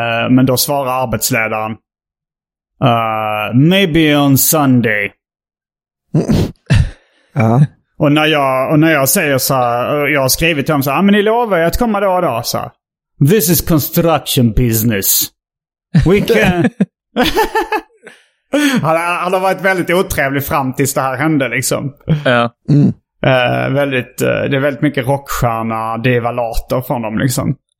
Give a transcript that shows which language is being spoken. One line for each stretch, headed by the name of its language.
Swedish: Men då svarar arbetsledaren
English: maybe on Sunday.
Swedish: Och när jag säger så här, jag har skrivit till dem så här, men ni lovar att komma då så här.
English: This is construction business. We can.
Swedish: han har varit väldigt otrevlig fram tills det här hände liksom. Det är väldigt mycket rockstjärna devalator från dem liksom.